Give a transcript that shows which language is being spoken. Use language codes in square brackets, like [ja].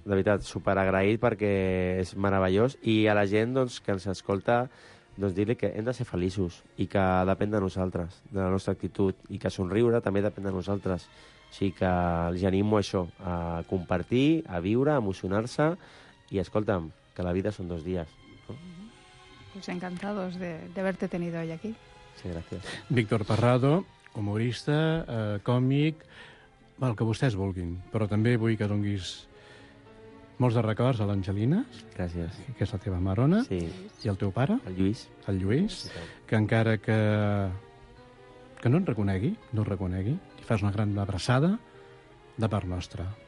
[ca] De veritat, superagraït, perquè és meravellós. I a la gent, doncs, que ens escolta, doncs dir-li que hem de ser feliços i que depèn de nosaltres, de la nostra actitud, i que somriure també depèn de nosaltres. Així que els animo a això, a compartir, a viure, a emocionar-se i, escolta'm, que la vida són dos dies. [es] Pues encantados de haberte tenido hoy aquí. Sí, gracias. [ca] Víctor Parrado, humorista, còmic, el que vostès vulguin, però també vull que donguis molts de records a l'Angelina. Gràcies. Que és la teva marona. Sí. I el teu pare. El Lluís. Que encara que no en reconegui, li fas una gran abraçada de part nostra.